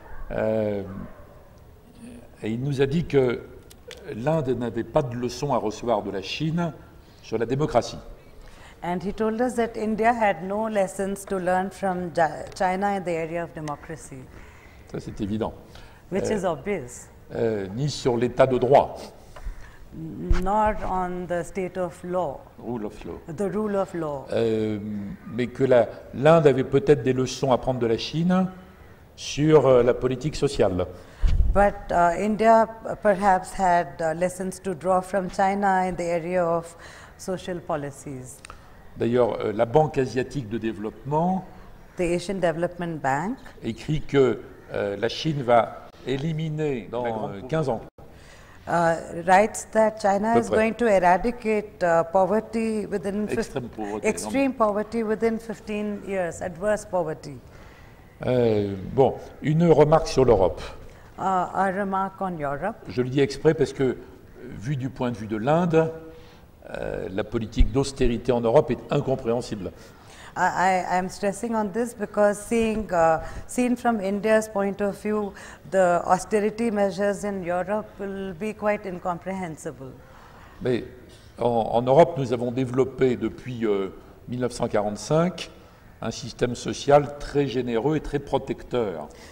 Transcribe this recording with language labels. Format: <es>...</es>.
<fr>Et il nous a dit que l'Inde n'avait pas de leçon à recevoir de la Chine sur la démocratie.</fr> <en>And he told us that India had no lessons to learn from China in the area of democracy.</en> <fr>Ça, c'est évident.</fr> <en>Which is obvious.</en> <fr>Ni sur l'état de droit.</fr> <en>Nor on the state of law. Rule of law. The rule of law.</en> <fr>Mais que l'Inde avait peut-être des leçons à prendre de la Chine sur la politique sociale.</fr> <en>But India perhaps had lessons to draw from China in the area of social policies.</en> <fr>D'ailleurs, la Banque Asiatique de Développement,</fr> <en>the Asian Development Bank,</en> <fr>écrit que la Chine va éliminer dans 15 ans.</fr> <en>Writes that China is going to eradicate poverty within extreme poverty within 15 years, adverse poverty.</en> <fr>Bon, une remarque sur l'Europe.</fr> <en>A remark on Europe.</en> <fr>Je le dis exprès parce que, vu du point de vue de l'Inde, la politique d'austérité en Europe est incompréhensible.</fr> <en>I'm stressing on this because seen from India's point of view, the austerity measures in Europe will be quite incomprehensible.</en> <fr>Mais en Europe, nous avons développé depuis 1945 un système social très généreux et très protecteur.</fr>